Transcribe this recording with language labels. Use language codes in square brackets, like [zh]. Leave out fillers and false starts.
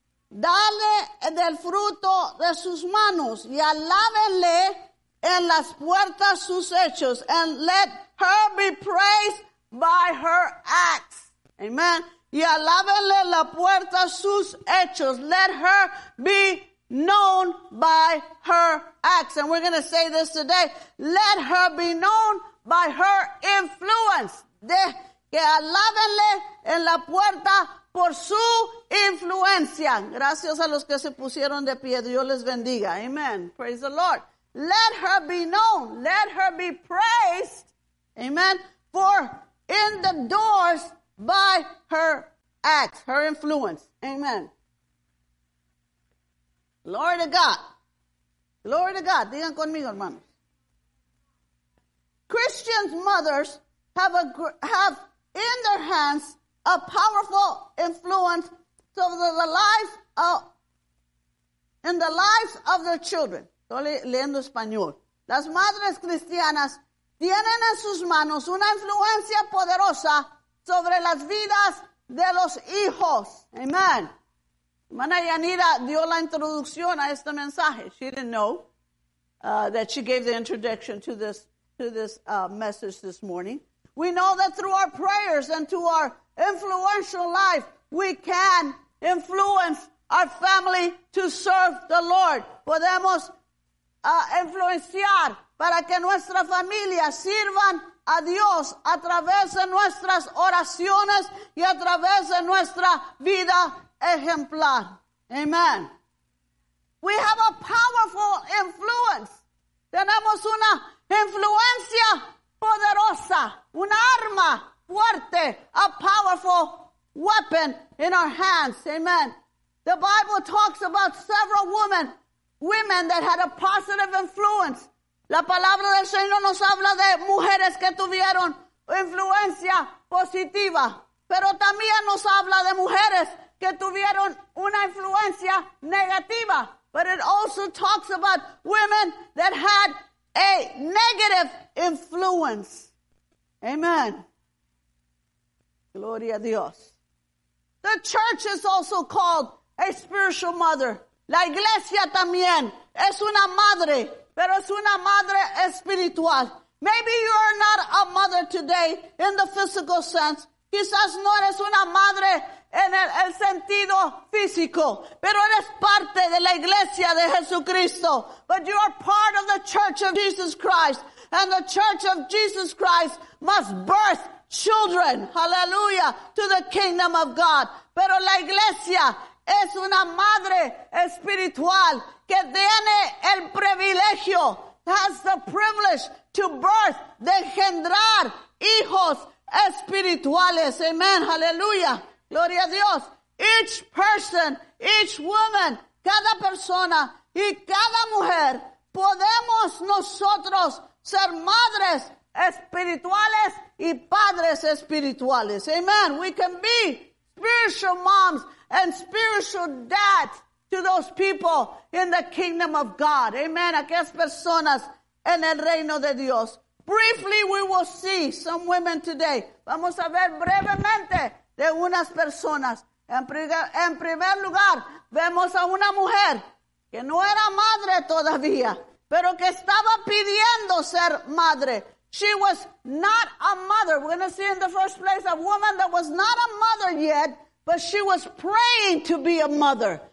[es] Dale del fruto de sus manos y alábenle en las puertas sus hechos, [en] and let her be praised by her acts. [es] Amen. Y alábenle la puerta sus hechos. [en] Let her be known by her acts. And we're going to say this today. Let her be known by her influence. [es] Que alábenle en la puerta por su influencia. Gracias a los que se pusieron de pie. Dios les bendiga. [en] Amen. Praise the Lord. Let her be known. Let her be praised. Amen. For in the doors by her acts, her influence. Amen. Glory to God. Glory to God. [es] Digan conmigo, hermanos. [en] Christian mothers have in their hands a powerful influence over the life of in the lives of their children. [es] Estoy leyendo español. Las madres cristianas tienen en sus manos una influencia poderosa sobre las vidas de los hijos. Amen. Hermana Yanira dio la introducción a este mensaje. [en] She didn't know that she gave the introduction to this message this morning. We know that through our prayers and to our influential life, we can influence our family to serve the Lord. [es] Podemos influenciar para que nuestra familia sirvan a Dios a través de nuestras oraciones y a través de nuestra vida ejemplar. Amen. [en] We have a powerful influence. [es] Tenemos una influencia poderosa, un arma fuerte, [en] a powerful weapon in our hands. [es] Amen. [en] The Bible talks about several women that had a positive influence. [es] La palabra del Señor nos habla de mujeres que tuvieron influencia positiva, pero también nos habla de mujeres que tuvieron una influencia negativa. [en] But it also talks about women that had a negative influence. Amen. [es] Gloria a Dios. [en] The church is also called a spiritual mother. [es] La iglesia también es una madre, pero es una madre espiritual. [en] Maybe you are not a mother today in the physical sense. [es] Quizás no eres una madre en el sentido físico, pero eres parte de la iglesia de Jesucristo. [en] But you are part of the church of Jesus Christ, and the church of Jesus Christ must birth children, hallelujah, to the kingdom of God. [es] Pero la iglesia es una madre espiritual que tiene el privilegio, [en] has the privilege to birth, [es] de engendrar hijos espirituales. Amen, hallelujah. Gloria a Dios. [en] Each person, each woman, [es] cada persona y cada mujer, podemos nosotros ser madres espirituales y padres espirituales. Amen. [en] We can be spiritual moms and spiritual dads to those people in the kingdom of God. Amen. [es] Aquellas personas en el reino de Dios. [en] Briefly, we will see some women today. [es] Vamos a ver brevemente de unas personas. En primer lugar, vemos a una mujer que no era madre todavía, pero que estaba pidiendo ser madre. [en] She was not a mother. We're going to see in the first place a woman that was not a mother yet, but she was praying to be a mother.